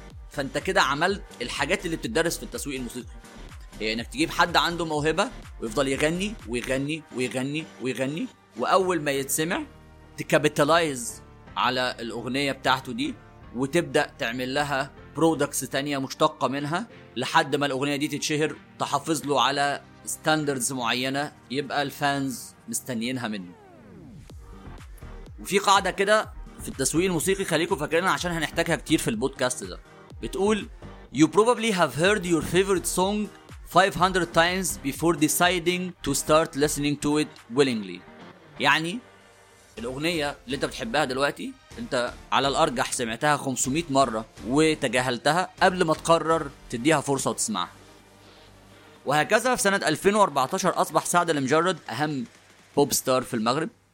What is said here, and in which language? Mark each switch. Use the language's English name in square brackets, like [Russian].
[Arabic] فانت كده عملت الحاجات اللي بتدرس في التسويق الموسيقي، هي انك تجيب حد عنده موهبة ويفضل يغني ويغني ويغني ويغني، واول ما يتسمع تكابيتالايز على الاغنية بتاعته دي وتبدأ تعمل لها برودكتس تانية مشتقة منها لحد ما الأغنية دي تتشهر، تحافظ له على ستاندردز معينة يبقى الفانز مستنيينها منه. وفي قاعدة كده في التسويق الموسيقي خليكم فاكرين عشان هنحتاجها كتير في البودكاست ده، بتقول [English] You probably have heard your favorite song 500 times before deciding to start listening to it willingly. [Arabic] يعني الأغنية اللي انت بتحبها دلوقتي انت على الارجح سمعتها 500 مرة وتجاهلتها قبل ما تقرر تديها فرصة وتسمعها. وهكذا في سنة 2014 اصبح سعد المجرد اهم بوب ستار في المغرب.